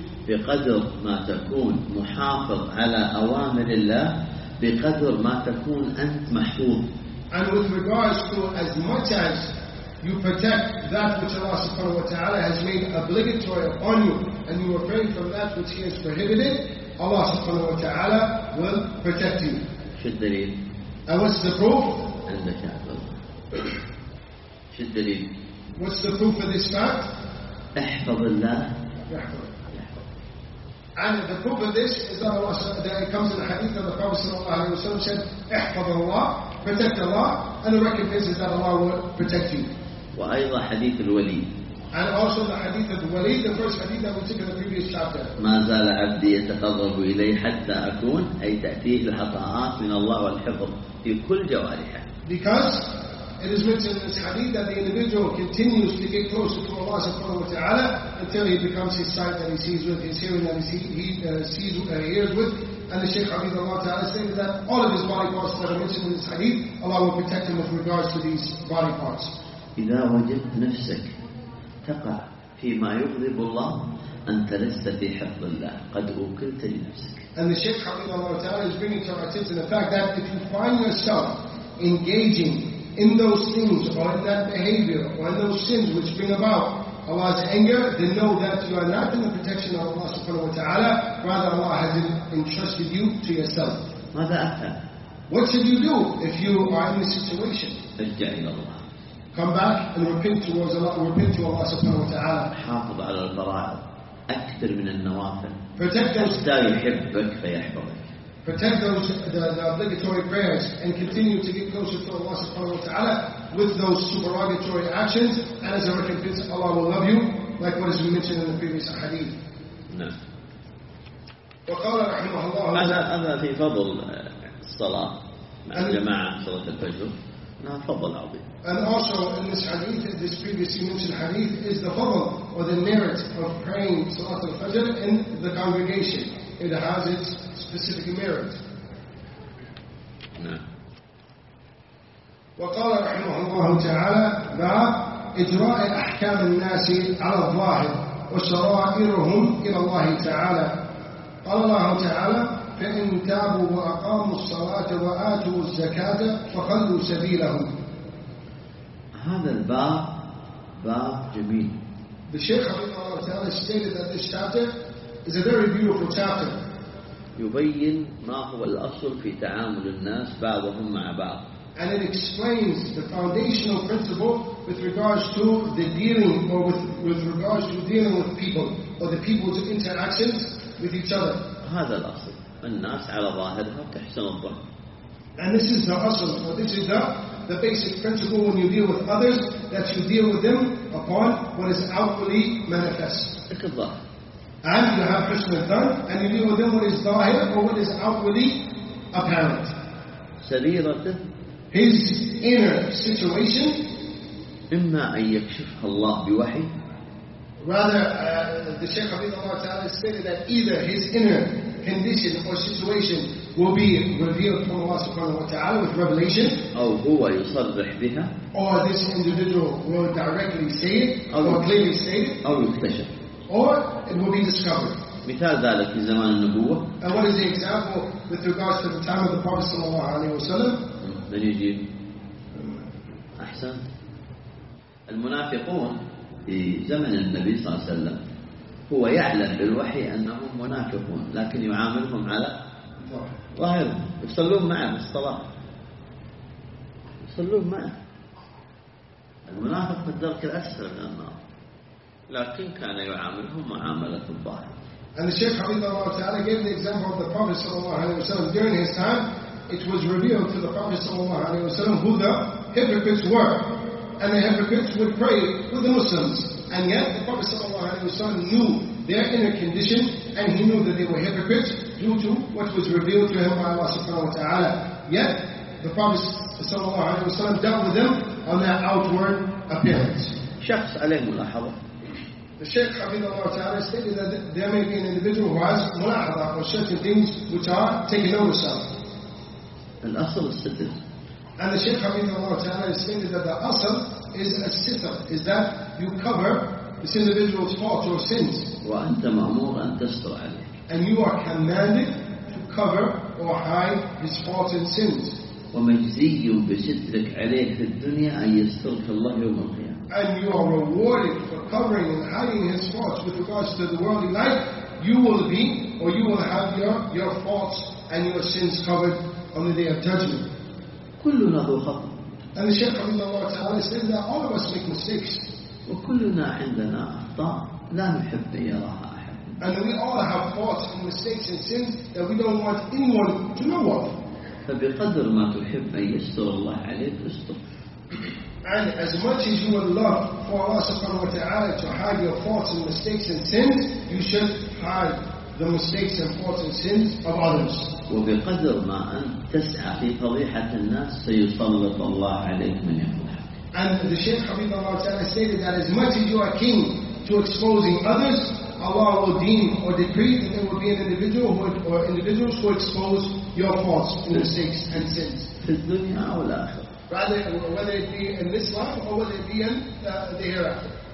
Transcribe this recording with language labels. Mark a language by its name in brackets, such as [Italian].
[Arabic] بقدر ما تكون محافظ على أوامر الله بقدر ما تكون أنت محفوظ [English] and with regards to as much as you protect that which Allah subhanahu wa ta'ala has made obligatory upon you and you refrain from that which he has prohibited Allah subhanahu wa ta'ala will protect you [Arabic] شو الدليل [English] and what's the proof [Arabic] عندك أحفظ شو الدليل [English] what's the proof of this fact [Arabic] احفظ الله [English] And the proof of this is that Allah that it comes in the hadith of the Prophet sallallahu alaihi wasallam said, [Arabic] احفظ الله, [English] protect Allah, and the recompense is that Allah will protect you. [Arabic] وأيضا حديث الوليد. [English] And also the hadith of the Walid, the first hadith that we took in the previous chapter. [Arabic] ما زال عبدي يتقرب إلي حتى أكون أي تأتيه الحطاءات من الله والحفظ في كل جوارحه. [English] Because it is mentioned in this hadith that the individual continues to get closer to Allah subhanahu wa ta'ala until he becomes his sight that he sees with, his hearing that he hears with. And the Shaykh Hafidhahullah Ta'ala says that all of his body parts that are mentioned in this hadith, Allah will protect him with regards to these body parts. [Arabic] إذا وجدت نفسك تقع فيما يغضب الله أنت لست في حفظ الله قد أوكلت لنفسك. [English] And the Shaykh Hafidhahullah Ta'ala is bringing to our attention the fact that if you find yourself engaging in those things or in that behavior or in those sins which bring about Allah's anger, then know that you are not in the protection of Allah subhanahu wa ta'ala, rather Allah has entrusted you to yourself. What should you do if you are in this situation? Come back and repent to Allah subhanahu wa ta'ala. [Arabic] حافظ على الفرائض أكثر من النوافل. [English] Protect those that [Arabic] يحبك فيحفظك. [English] Protect the obligatory prayers and continue to get closer to Allah subhanahu wa ta'ala with those supererogatory actions and as a recompense Allah will love you like what has been mentioned in the previous hadith. No. [Arabic] وقال رحمه الله هذا في فضل الصلاة مع الجماعة صلاة الفجر فضل عظيم. [English] And also in this hadith, this previously mentioned hadith is the fadl or the merit of praying Salat al-Fajr in the congregation. It has its specific merit. [Arabic] وقال رحمه الله تعالى باب إجراء أحكام الناس على الظاهر وشرائرهم إلى الله تعالى. قال الله تعالى فإن تابوا وأقاموا الصلاة وآتوا الزكاة فخلوا سبيلهم. هذا الباب باب جميل. [English] The Sheikh of Al-Tal stated that this chapter is a very beautiful chapter. [Arabic] يبين ما هو الأصل في تعامل الناس بعضهم مع بعض. [English] And it explains the foundational principle with regards to the dealing, or with regards to dealing with people, or the people's interactions with each other. [Arabic] هذا الأصل. الناس على ظاهرها تحسن الظن. [English] And this is the أصل, or this is the basic principle when you deal with others, that you deal with them upon what is outwardly manifest. [Arabic] الظاهر. [English] And you have [Arabic] حسن الظن, [English] and you deal with them what is ظاهر, or what is outwardly apparent. [Arabic] سريرة. [English] His inner situation, [Arabic] إما أن يكشفها الله بوحي. [English] Rather, the Sheikh Habib Allah Ta'ala stated that either his inner condition or situation will be revealed from Allah Subhanahu Wa Ta'ala with revelation, [Arabic] أو هو يصرح بها, [English] or this individual will directly say it, or clearly say it, [Arabic] أو يكتشف, [English] or it will be discovered. [Arabic] مثال ذلك في زمان النبوة. [English] And what is the example with regards to the time of the Prophet Sallallahu Alaihi Wasallam? [Arabic] من يجيب؟ أحسن. المنافقون في زمن النبي صلى الله عليه وسلم هو يعلم بالوحي أنهم منافقون, لكن يعاملهم على ظاهر, يصلون معه بالصلاة, يصلون معه. المنافق في الدرك الأسفل من النار, لكن كان يعاملهم معاملة الظاهر. [English] And the Sheikh Habib Allah Ta'ala gave the example of the Prophet Sallallahu Alaihi Wasallam. During his time, it was revealed to the Prophet Sallallahu Alaihi Wasallam who the hypocrites were. And the hypocrites would pray with the Muslims. And yet, the Prophet Sallallahu Alaihi Wasallam knew their inner condition, and he knew that they were hypocrites due to what was revealed to him by Allah Subhanahu Wa Ta'ala. Yet, the Prophet Sallallahu Alaihi Wasallam dealt with them on their outward appearance. [Arabic] شخص عليه ملاحظة. [English] The Sheikh Habib Allah Ta'ala stated that there may be an individual who has mulahada, or certain things which are taken notice of. [Arabic] الأصل الستر. [English] And the Sheikh Habib Allah Ta'ala stated that the asl is a sitter, is that you cover this individual's faults or sins. [Arabic] وأنت مأمور أن تستر عليه. [English] And you are commanded to cover or hide his faults and sins. [Arabic] ومجزي بسترك عليه في الدنيا أن يسترك الله يوم القيامة. [English] And you are rewarded for covering and hiding his faults with regards to the worldly life, you will be, or you will have your faults and your sins covered on the day of judgment. [Arabic] كلنا ذو خطأ. [English] And the Shaykh of Allah Ta'ala said that all of us make mistakes. [Arabic] وكلنا عندنا أخطاء لا نحب أن يراها أحد. [English] And we all have faults and mistakes and sins that we don't want anyone to know of. [Arabic] فبقدر ما تحب أن يستر الله عليك استر. [English] And as much as you would love for Allah subhanahu wa ta'ala to hide your faults and mistakes and sins, you should hide the mistakes and faults and sins of others. [Arabic] وبقدر ما أن تسعى في فضيحة الناس سيسلط الله عليك من يفضحك. [English] And the Shaykh Habib Allah Ta'ala stated that as much as you are keen to exposing others, Allah will deem or decree that there will be an individual who, or individuals who expose your faults and mistakes and sins. [Arabic] في الدنيا أو الآخر. [English] Rather, whether it be in this life or whether it be in the hereafter.